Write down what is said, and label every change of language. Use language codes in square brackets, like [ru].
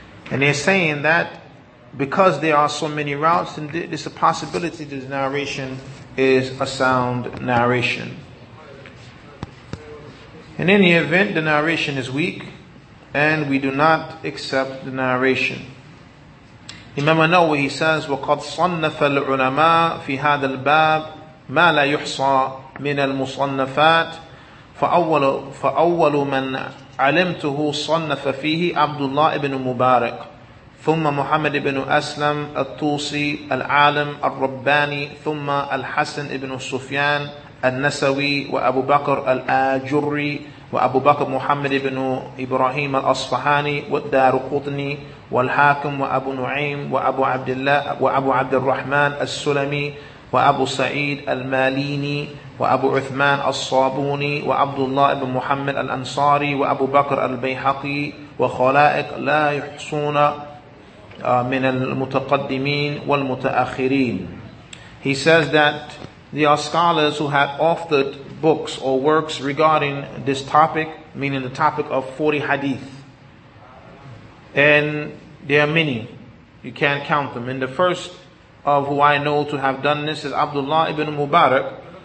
[en] And they're saying that because there are so many routes, and there's a possibility that this narration is a sound narration. In any event, the narration is weak, and we do not accept the narration. Imam An-Nawawi, he says, [ar] وَقَدْ صَنَّفَ الْعُلَمَاء فِي هَذَا الْبَابِ مَا لَا يُحْصَى مِنَ الْمُصَنَّفَاتِ فَأَوَّلُ مَنْ عَلِمْتُهُ صَنَّفَ فِيهِ عَبْدُ اللَّهِ بْنُ مُبَارِكٍ ثم محمد بن أسلم الطوسي العالم الرباني ثم الحسن بن سفيان النسوي وأبو بكر الآجري وأبو بكر محمد بن إبراهيم الأصفهاني والدارقطني والحاكم وأبو نعيم وأبو عبد الله وأبو عبد الرحمن السلمي وأبو سعيد الماليني وأبو عثمان الصابوني وعبد الله بن محمد الأنصاري وأبو بكر البيهقي وخلائق لا يحصون من المتقدمين والمتأخرين. [en] He says that there are scholars who have authored books or works regarding this topic, meaning the topic of 40 hadith. And there are many. You can't count them. And the first of who I know to have done this is Abdullah ibn Mubarak.